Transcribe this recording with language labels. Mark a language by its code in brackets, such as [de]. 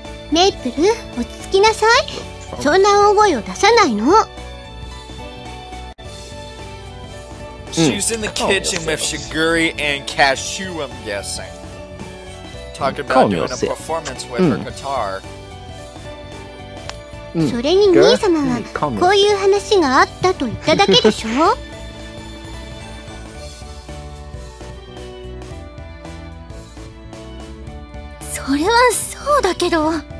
[ja] メイプル、落ち着きなさい。そんな大声を出さないの。 [en] She's in the kitchen with Shiguri and Cashew, I'm guessing. Talking about doing a performance with her guitar. [ja] それに兄様はこういう話があったと言っただけでしょ。それはそうだけど。